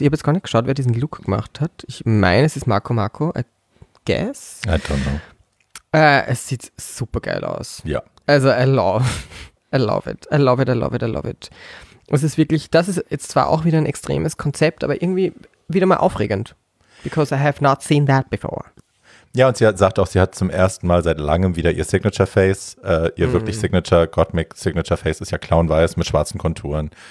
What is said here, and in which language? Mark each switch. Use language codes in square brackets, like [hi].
[de] Ich habe jetzt gar nicht geschaut, wer diesen Look gemacht hat. Ich meine, es ist Marco, [en] I guess. I don't know. [de] Es sieht super geil aus. Ja. [en] Also I love it. [de] Es ist wirklich, das ist jetzt zwar auch wieder ein extremes Konzept, aber irgendwie wieder mal aufregend. [en] Because I have not seen that before. [de] Ja, und sie sagt auch, sie hat zum ersten Mal seit langem wieder ihr Signature Face. Ihr wirklich Signature, Gottmik Signature Face ist ja clownweiß mit schwarzen Konturen.